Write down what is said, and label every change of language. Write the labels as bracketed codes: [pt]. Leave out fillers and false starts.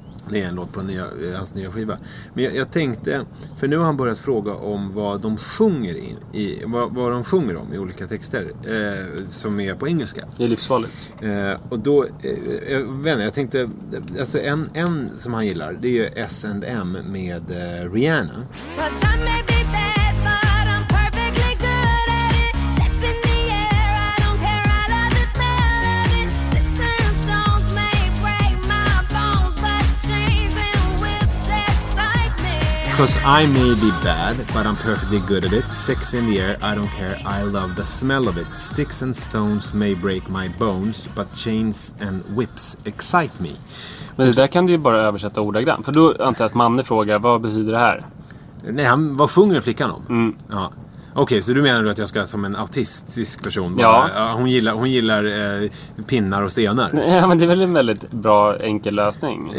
[sv] Det är en låt på hans nya skiva. Men jag tänkte, för nu har han börjat fråga om vad de sjunger vad de sjunger om i olika texter som är på engelska. Det är livsfarligt. Och då, vänner, jag tänkte, alltså en som han gillar, det är ju S&M med Rihanna. [en] Because I may be bad, but I'm perfectly good at it. Sex in the air, I don't care, I love the smell of it. Sticks and stones may break my bones, but chains and whips excite me. [sv] Men det där kan du ju bara översätta ordagrant. För då antar jag att mannen frågar, vad betyder det här? Nej, vad sjunger flickan om? Mm. Ja. Okej, okay, så du menar att jag ska som en autistisk person? Ja. Hon gillar pinnar och stenar? Ja, men det är väl en väldigt bra, enkel lösning.